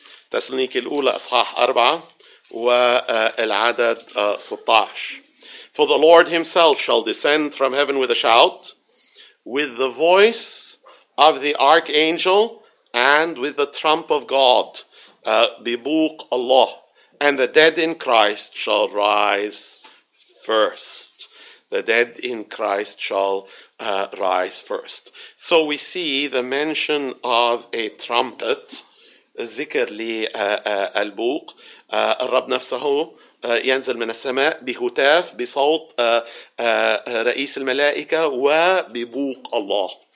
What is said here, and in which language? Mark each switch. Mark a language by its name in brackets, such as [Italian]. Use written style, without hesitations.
[Arabic] تسلونيك الأولى أصحاح 4 والعدد 16. [English] For the Lord himself shall descend from heaven with a shout, with the voice of the archangel, and with the trump of God, [Arabic] ببوق الله, [English] and the dead in Christ shall rise first. The dead in Christ shall rise first. So we see the mention of a trumpet, [Arabic] ذكر للبوق, الرب نفسه ينزل من السماء بهتاف بصوت رئيس الملائكة وببوق الله.